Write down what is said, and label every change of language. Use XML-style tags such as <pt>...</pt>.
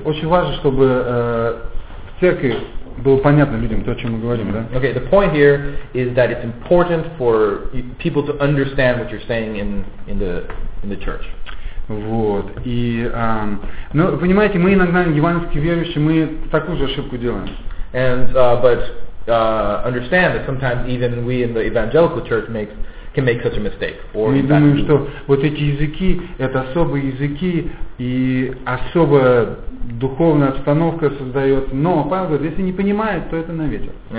<ru>Очень важно, чтобы в церкви было понятно людям то, о чем мы говорим, да?</ru> <en>Okay, the point here is that it's important for people to understand what you're saying in the church.</en> <ru>Вот, и, ну, понимаете, мы иногда, евангельские верующие, мы такую же ошибку делаем.</ru> <en>Understand that sometimes even we in the evangelical church can make such a mistake. Or</en> <ru>мы думаем, что вот эти языки это особые языки и особая духовная обстановка создается. Но Павел говорит, если не понимает, то это на ветер.</ru>